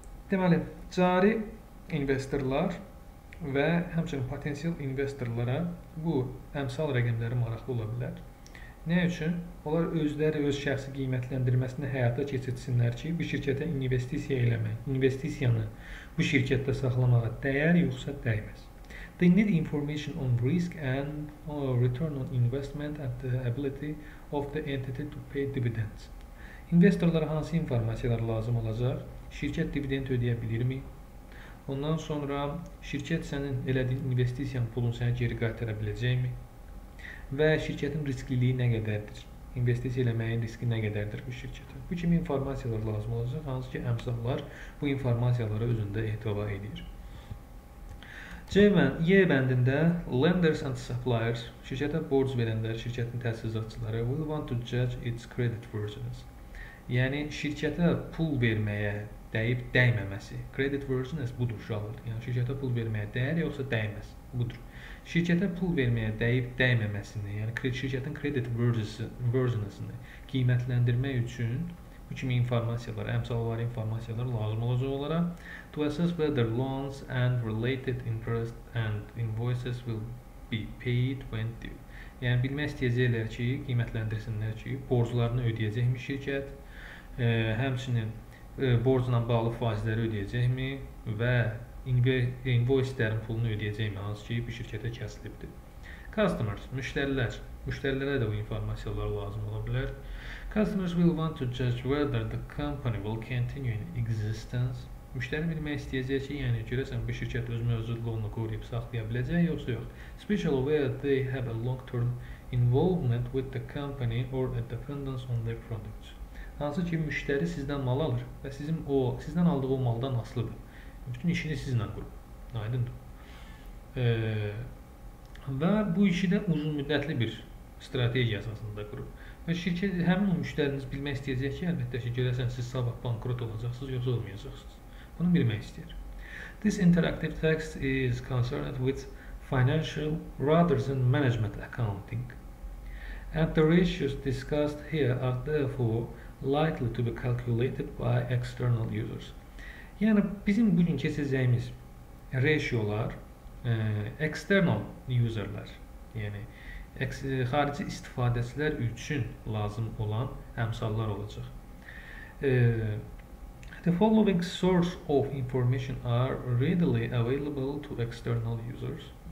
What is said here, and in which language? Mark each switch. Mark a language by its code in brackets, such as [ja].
[az] Deməli, cari investorlar və həmçinin potensial investorlara bu əmsal rəqəmləri maraqlı ola bilər. Nə üçün? Onlar özləri öz şəxsi qiymətləndirməsini həyata keçirsinlər ki, bu şirkətə investisiya eləmək, investisiyanı bu şirkətdə saxlamağa dəyər yoxsa dəyməz. [en] They need information on risk and return on investment and the ability of the entity to pay dividends. [az] İnvestorlara hansı informasiyalar lazım olacaq? Şirkət dividend ödəyə bilirmi? Ondan sonra şirkət sənin elədiyin investisiyan pulunu sənə geri qaytara biləcəkmi? Və şirkətin riskliliyi nə qədərdir? İnvestisiya eləməyin riski nə qədərdir bu şirkətə? Bu kimi informasiyalar lazım olacaq, hansı ki, əmsallar bu informasiyaları özündə ehtiva edir. C-bənd, Y-bəndində [en] lenders and suppliers, [az] şirkətə borc verənlər, şirkətin təsisatçıları [en] will want to judge its credit worthiness. [az] Yəni, şirkətə pul verməyə dəyib dəyməməsi. Credit worthiness budur, uşaqlar. Yəni, şirkətə pul verməyə dəyər yoxsa dəyməz. Budur. Şirkətə pul verməyə dəyib dəyməməsini, yəni şirkətin credit worthiness-ini qiymətləndirmək üçün bu kimi informasiyalar, əmsallar, informasiyalar lazım olacaq olara. [en] To assess whether loans and related interest and invoices will be paid when due. [az] Yəni bilmək istəyəcəklər ki, qiymətləndirsinlər ki, borclarını ödəyəcəkmi şirkət, həmçinin borcla bağlı faizləri ödəyəcəkmi və invoice-lərin pulunu ödəyəcəyimi, hansı ki, bir şirkətə kəsilibdir. Customers, müştərilər. Müştərilərə də bu informasiyalar lazım ola bilər. [en] Customers will want to judge whether the company will continue in existence. [az] Müştəri bilmək istəyəcək ki, yəni görəsən, bir şirkət öz mövcudluğunu qoruyub saxlaya biləcək, yoxsa yox. [en] Especially where they have a long-term involvement with the company or a dependence on their products. [az] Hansı ki, müştəri sizdən mal alır və sizin o, sizdən aldığı o maldan asılıdır. Bütün işini sizinlə qurub. Aydındır. Və bu işi də uzun müddətli bir strategiya əsasında qurub. Və şirkət, həmin o müştəriniz bilmək istəyəcək ki, əlbəttə ki, görəsən siz sabah bankrot olacaqsınız, yoxsa olmayacaqsınız. Bunu bilmək istəyir. [en] This interactive text is concerned with financial rather than management accounting, and the ratios discussed here are therefore likely to be calculated by external users. [tr] Yani bizim bugün keseceğimiz ratio'lar external user'lar, yani harici istifadeciler için lazım olan emsallar olacak. [en] The following source of information are readily available to external users.